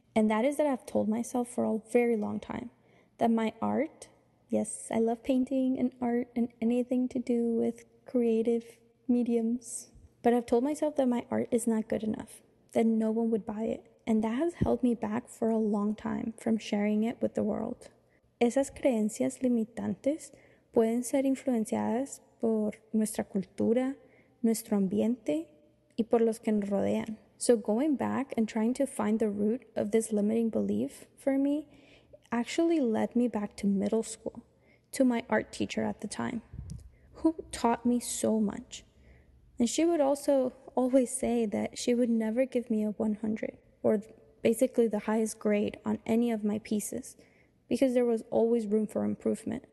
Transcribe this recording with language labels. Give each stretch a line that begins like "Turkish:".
English: And that is that I've told myself for a very long time that my art, yes, I love painting and art and anything to do with creative mediums, but I've told myself that my art is not good enough, that no one would buy it, and that has held me back for a long time from sharing it with the world.
Spanish: Esas creencias limitantes pueden ser influenciadas por nuestra cultura, nuestro ambiente, y por los que nos rodean.
English: So going back and trying to find the root of this limiting belief for me actually led me back to middle school, to my art teacher at the time, who taught me so much. And she would also always say that she would never give me a 100, or basically the highest grade on any of my pieces, because there was always room for improvement.